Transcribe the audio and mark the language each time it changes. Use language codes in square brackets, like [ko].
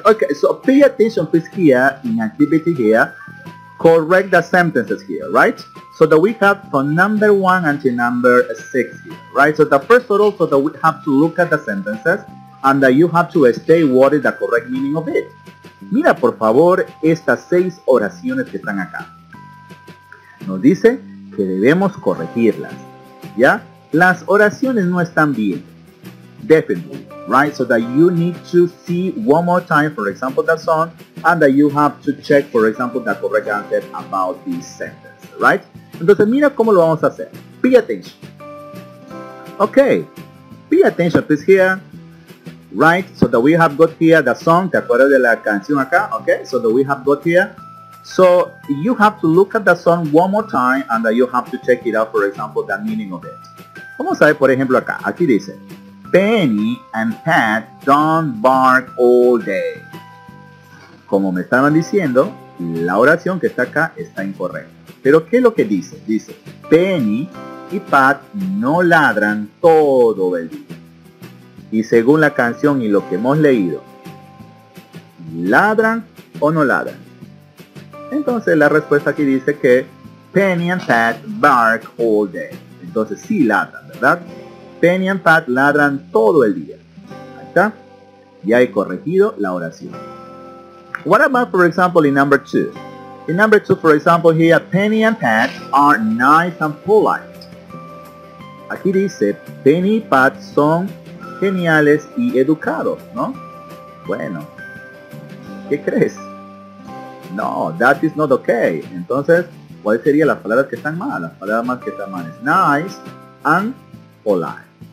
[en] Okay, so pay attention, please, here in activity here. Correct the sentences here, right? So that we have from number 1 until number 6 here, right? So the first of all, so that we have to look at the sentences and that you have to state what is the correct meaning of it. [es] Mira, por favor, estas 6 oraciones que están acá. Nos dice que debemos corregirlas, ¿ya? Las oraciones no están bien. Definitely, right? [en] So that you need to see one more time, for example, the song, and that you have to check, for example, the correct answer about this sentence, right? [es] Entonces, mira cómo lo vamos a hacer. [en] Pay attention. Okay. Pay attention, please, here. Right, so that we have got here the song, [es] ¿te acuerdas de la canción acá? [en] Okay, so that we have got here. So, you have to look at the song one more time and you have to check it out, for example, the meaning of it. [es] Vamos a ver, por ejemplo, acá. Aquí dice, [en] Penny and Pat don't bark all day. [es] Como me estaban diciendo, la oración que está acá está incorrecta. Pero, ¿qué es lo que dice? Dice, Penny y Pat no ladran todo el día. Y según la canción y lo que hemos leído, ¿ladran o no ladran? Entonces la respuesta aquí dice que [en] Penny and Pat bark all day. [es] Entonces sí ladran, ¿verdad? Penny and Pat ladran todo el día. Ahí está. Ya he corregido la oración. [en] What about, for example, in number 2? In number 2, for example, here, Penny and Pat are nice and polite. [es] Aquí dice, Penny y Pat son geniales y educados, ¿no? Bueno, ¿qué crees? [en] No, that is not okay. [es] Entonces, ¿cuáles serían las palabras que están mal? Las palabras más que están mal es [en] nice and polite.